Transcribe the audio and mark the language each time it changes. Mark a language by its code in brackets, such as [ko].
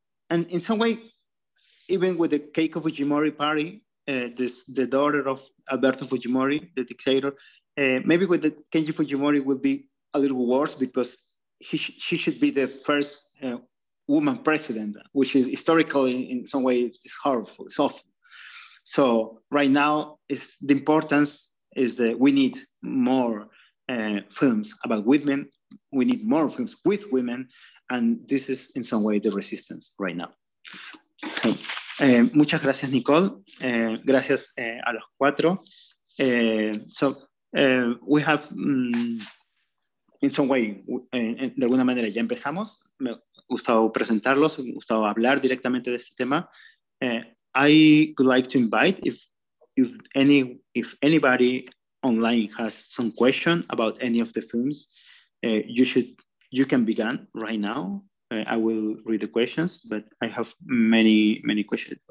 [en] And in some way, even with the Keiko Fujimori party, the daughter of Alberto Fujimori, the dictator, maybe with the Keiko Fujimori will be a little worse because she should be the first woman president, which is historically in some way it's horrible, it's awful. So right now is the importance is that we need more films about women, we need more films with women, and this is in some way the resistance right now. [es] So muchas gracias Nicole, gracias a los cuatro. [en] So we have in some way, [es] de alguna manera ya empezamos. gustado presentarlos, gustado hablar directamente de este tema. [en] I would like to invite if anybody online has some question about any of the films, you can begin right now. I will read the questions, but I have many questions.